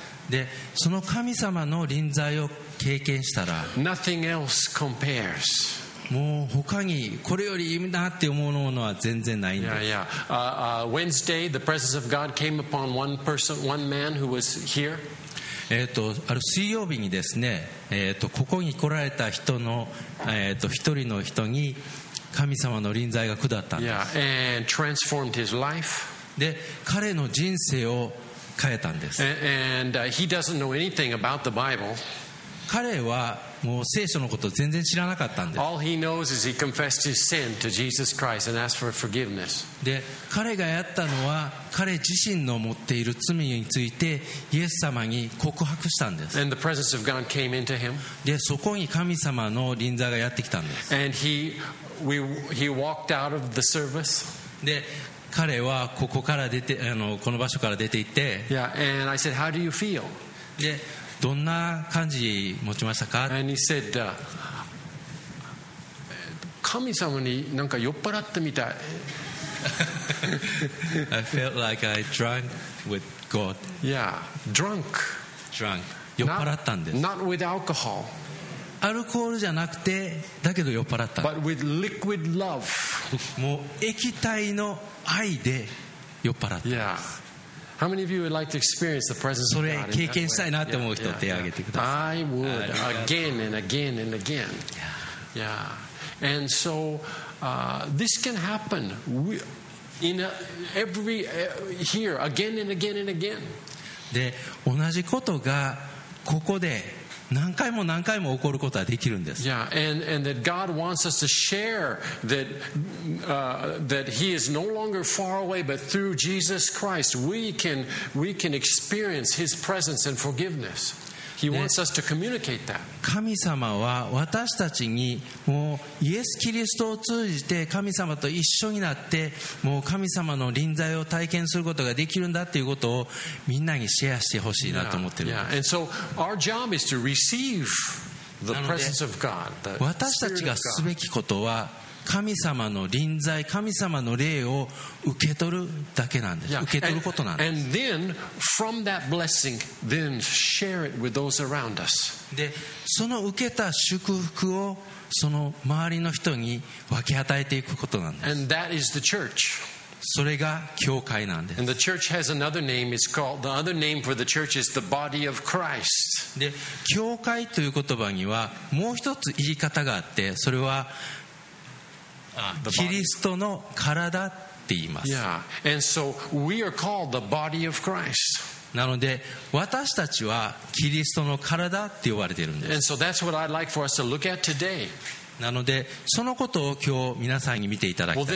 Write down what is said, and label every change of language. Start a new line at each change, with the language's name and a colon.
Japanese: で、その神様の臨在を経験したら、
English: Nothing else compares.
Japanese: もう他にこれよりいいなって思うものは全然ないんです。
English: Yeah, yeah. Wednesday, the presence of God came upon one person, one man who was here.
Japanese: ある水曜日にですね、ここに来られた人の、一人の人に神様の臨在が下ったんです。
English: Yeah, and transformed his life.
Japanese: で、彼の人生を変えたんです。
English: And he doesn't know anything about the Bible.
Japanese: 彼はもう聖書のこと全然知らなかったんです。
English: All he knows is he confessed his sin to Jesus Christ and asked for forgiveness.
Japanese: で、彼がやったのは彼自身の持っている罪についてイエス様に告白したんです。
English: And the presence of God came into him.
Japanese: で、そこに神様の臨在がやってきたんです。
English: And he walked out of the service.
Japanese: で、彼はここから出て、この場所から出て行って。
English: Yeah, and I said, how do you feel?
Japanese: で、どんな感じ持ちましたか？
English: And he said,
Japanese: 神様になんか酔っ払ったみたい。
English: I felt like I drank with God. Yeah, drunk. Drunk.
Japanese: 酔っ払ったんです。
English: Not with alcohol.
Japanese: アルコールじゃなくて、だけど酔っ払った。
English: But with liquid love.
Japanese: もう液体の愛で酔っ払った。
English: Yeah. How many of you would like to experience the presence of God?
Japanese: それ経験したいなって思う人手を挙げてください。
English: I would again and again and again. Yeah. And so this can happen in every here again and again and again.
Japanese: で、同じことがここで何回も何回も起こることができるんです。
English: Yeah. And that God wants us to share that He is no longer far away, but through Jesus Christ, we can experience His presence and forgiveness. He wants us to communicate that.
Japanese: 神様は私たちにもうイエス・キリストを通じて神様と一緒になってもう神様の臨在を体験することができるんだということをみんなにシェアしてほしいなと思っているんです。
English: Yeah, yeah. And so our job is to receive the presence of God, the Spirit of God.
Japanese: 私たちがすべきことは神様の臨在、神様の霊を受け取るだけなんです。Yeah. 受け取ることなんです。
English: And then, from that blessing, then share it with those around us.
Japanese: で、その受けた祝福をその周りの人に分け与えていくことなんです。
English: And that is the church.
Japanese: それが教会なんです。
English: And the church has another name. It's called the other name for the church is the body of Christ.
Japanese: で、教会という言葉にはもう一つ言い方があって、それはキリストの体って言います。
English: Yeah. And so we are called the body of Christ.
Japanese: なので私たちはキリストの体って呼ばれているんです。
English: And so that's what I'd like for us to look at today.
Japanese: なのでそのことを今日皆さんに見ていただきたい。